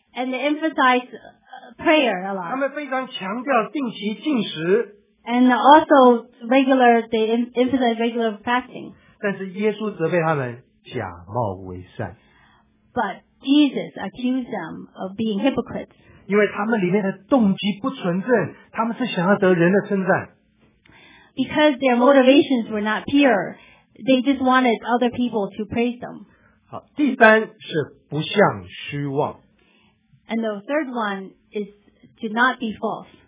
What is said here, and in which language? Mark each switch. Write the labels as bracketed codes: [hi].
[en] And they emphasize prayer a lot. [zh] 他们非常强调定期禁食。 [en] And also they emphasize regular fasting. [zh] 但是耶稣责备他们假冒为善。 [en] But Jesus accused them of being hypocrites. [zh] 因为他们里面的动机不纯正，他们是想要得人的称赞。 [en] Because their motivations were not pure, they just wanted other people to praise them. [zh] 好，第三是不向虚妄。 [en] And the third one is to not be false.